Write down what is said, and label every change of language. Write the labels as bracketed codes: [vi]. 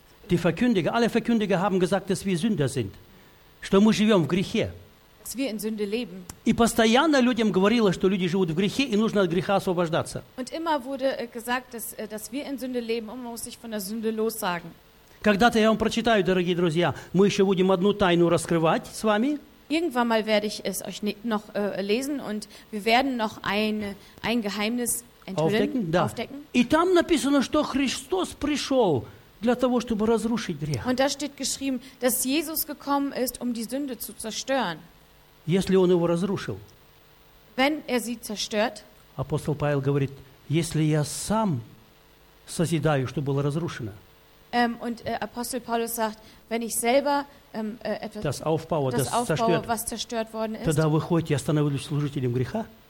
[de] Die Verkündiger, alle Verkündiger haben gesagt, dass wir Sünder sind. [ru] Что мы живем в грехе. [de] Dass wir in Sünde leben. [ru] И постоянно людям говорило, что люди живут в грехе и нужно от греха освобождаться. [de] Und immer wurde gesagt, dass wir in Sünde leben und man muss sich von der Sünde lossagen. [ru] Когда-то я вам прочитаю, дорогие друзья, мы еще будем одну тайну раскрывать с вами. [de] Irgendwann mal werde ich es euch noch lesen und wir werden noch ein Geheimnis aufdecken. [ru] И там написано, что Христос пришел для того, чтобы разрушить грех. [de] Und da steht geschrieben, dass Jesus gekommen ist, um die Sünde zu zerstören. [ru] Если он его разрушил. [de] Wenn er sie zerstört. [ru] Апостол Павел говорит, если я сам созидаю, что было разрушено. [de] Und Apostel Paulus sagt, wenn ich selber etwas das aufbaue, das aufbaue zerstört, was zerstört worden ist, [ru] тогда выходит, я становлюсь служителем греха.